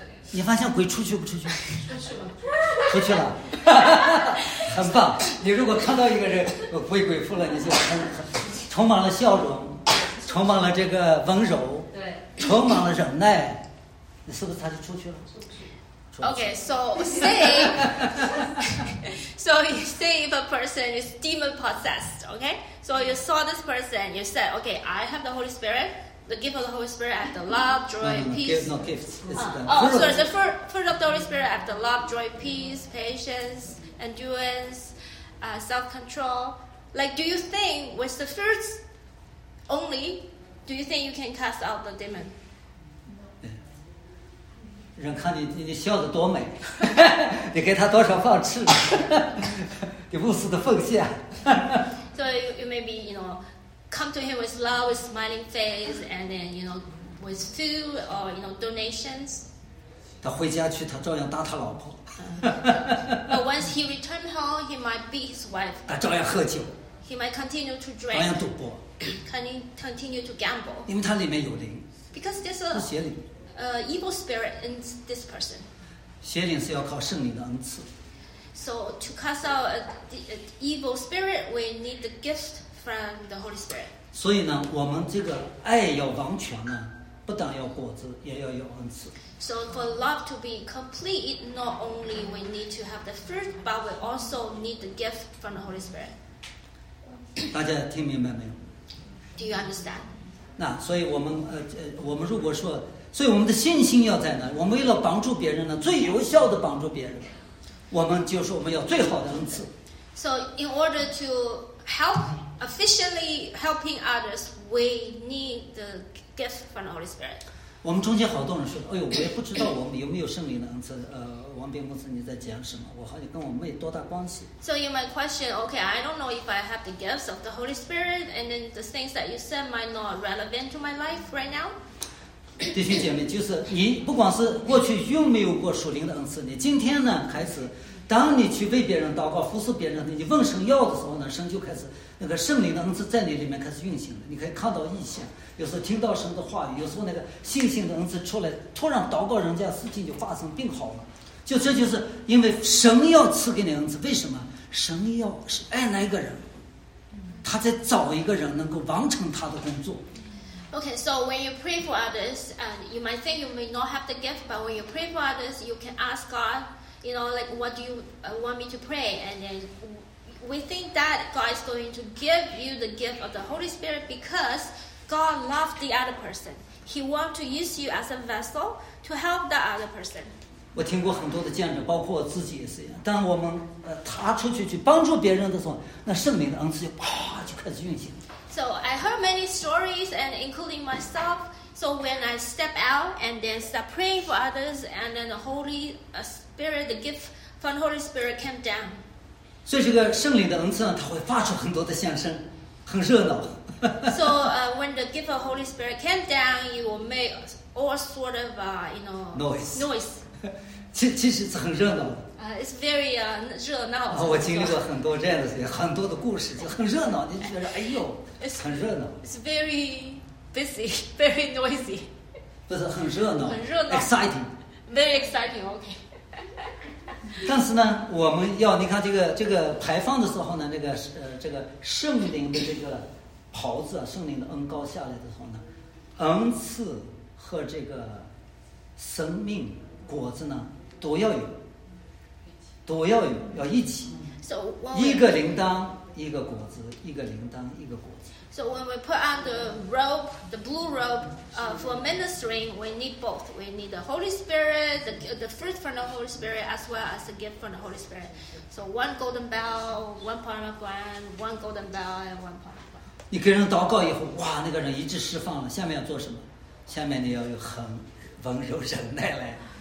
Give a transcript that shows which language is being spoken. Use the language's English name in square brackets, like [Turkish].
[Chinese] 你发现鬼出去不出去？出去了。很棒。你如果看到一个人被鬼附了，你就充满了笑容，充满了这个温柔。充满了忍耐，那是不是他就出去了？出去。 [English] Okay, so say, so you say if a person is demon possessed, okay? So you saw this person, you said, okay, I have the Holy Spirit, the gift of the Holy Spirit, I have the love, joy, peace. No, gifts. The fruit of the Holy Spirit, I have the love, joy, peace, patience, endurance, self-control. Like, do you think with the fruits only, do you think you can cast out the demon? [Chinese] 人看你，你笑得多美，你给他多少放翅，你无私的奉献。 [English] So you maybe you know, come to him with love, with smiling face, and then you know, with food or you know donations. [Chinese] 他回家去，他照样打他老婆。 [English] But once he returned home, he might beat his wife. [Chinese] 他照样喝酒。 [English] He might continue to drink. [Chinese] 照样赌博。 [English] Continue to gamble. [Chinese] 因为他里面有灵。 [English] Because there's a [Chinese] 他邪灵。 [English] Evil spirit in this person. [Chinese] 邪灵是要靠圣灵的恩赐。 [English] So to cast out an evil spirit, we need the gift from the Holy Spirit. [Chinese] 所以呢，我们这个爱要完全呢，不但要果子，也要有恩赐。 [English] So for love to be complete, not only we need to have the fruit, but we also need the gift from the Holy Spirit. [Chinese] 大家听明白没有？ [English] Do you understand? [Chinese] 那所以我们如果说所以我们的信心要在哪里？我们为了帮助别人呢，最有效的帮助别人，我们就是我们要最好的恩赐。 [English] So in order to help efficiently helping others, we need the gift from the Holy Spirit. [Chinese] 我们中间好多人说：“哎呦，我也不知道我们有没有圣灵的恩赐。” 王斌牧师，你在讲什么？我好像跟我们没多大关系。 [English] So you might question, okay, I don't know if I have the gifts of the Holy Spirit, and then the things that you said might not relevant to my life right now. [Chinese] 弟兄姐妹，就是你不管是过去有没有过属灵的恩赐，你今天呢开始，当你去为别人祷告、服侍别人，你问神要的时候呢，神就开始那个圣灵的恩赐在你里面开始运行了。你可以看到异象，有时候听到神的话语，有时候那个信心的恩赐出来，突然祷告人家事情就发生病好了。就这就是因为神要赐给你恩赐，为什么？神要是爱那个人，他在找一个人能够完成他的工作。 [English] Okay, so when you pray for others, and you might think you may not have the gift, but when you pray for others, you can ask God, you know, like, what do you want me to pray? And then we think that God is going to give you the gift of the Holy Spirit because God loves the other person. He wants to use you as a vessel to help the other person. [Chinese] 我听过很多的见证，包括我自己也是一样。当我们踏出去去帮助别人的时候，那圣灵的恩赐就啪就开始运行。 [English] So I heard many stories, and including myself. So when I step out and then start praying for others, and then the Holy Spirit, the gift from the Holy Spirit came down. [Chinese] 所以这个圣灵的恩赐呢，它会发出很多的响声，很热闹。 [English] So when the gift of Holy Spirit came down, you will make all sort of noise. [Chinese] 其实是很热闹的。 [English] It's very 热闹。 [Chinese] 哦，我经历过很多这样的事情，很多的故事就很热闹，你觉得哎呦。 [English] It's, [Chinese] 很热闹。 [English] It's very busy, very noisy. [Chinese] 不是很热闹。很热闹。 [English] Exciting. Very exciting. Okay. [Chinese] 但是呢，我们要你看这个排放的时候呢，这个圣灵的这个袍子啊，圣灵的恩膏下来的时候呢，恩赐和这个生命果子呢，都要有，要一起。 [English] So [Chinese] 一个铃铛。一个果子，一个铃铛，一个果子。 [English] So when we put on the robe, the blue robe, for ministering, we need both. We need the Holy Spirit, the fruit from the Holy Spirit, as well as the gift from the Holy Spirit. So one golden bell, one pomegranate, one golden bell, and one pomegranate. [Chinese] 你给人祷告以后，哇，那个人一致释放了。下面要做什么？下面你要有很温柔忍耐来。